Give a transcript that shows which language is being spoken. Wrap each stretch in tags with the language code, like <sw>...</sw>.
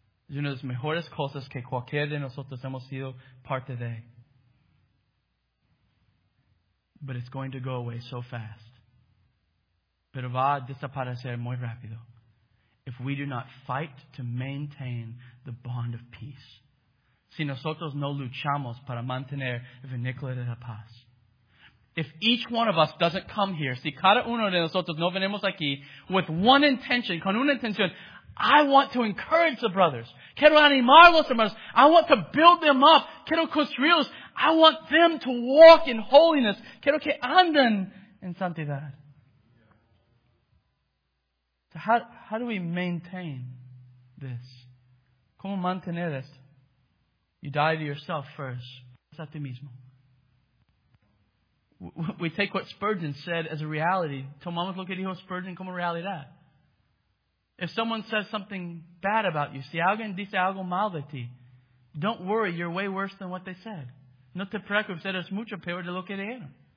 <es>Es una de las mejores cosas que cualquier de nosotros hemos sido parte de.</es> <en>But it's going to go away so fast.</en> <es>Pero va a desaparecer muy rápido.</es> <en>If we do not fight to maintain the bond of peace.</en> <es>Si nosotros no luchamos para mantener el vínculo de la paz.</es> <en>If each one of us doesn't come here,</en> <es>si cada uno de nosotros no venimos aquí,</es> <en>with one intention,</en> <es>con una intención,</es> <en>I want to encourage the brothers.</en> <es>Quiero animar los hermanos.</es> <en>I want to build them up.</en> <es>Quiero construirlos.</es> <en>I want them to walk in holiness.</en> <es>Quiero que anden en santidad.</es> <en>So how do we maintain this?</en> <es>¿Cómo mantener esto?</es> <en>You die to yourself first.</en> <es>Es a ti mismo.</es> <en>We take what Spurgeon said as a reality.</en> <es>Tomamos lo que dijo Spurgeon como realidad.</es> <en>If someone says something bad about you,</en> <es>si alguien dice algo mal de ti,</es> <en>don't worry, you're way worse than what they said.</en> <es>No te preocupes, eres mucho peor de lo que dijeron.</es>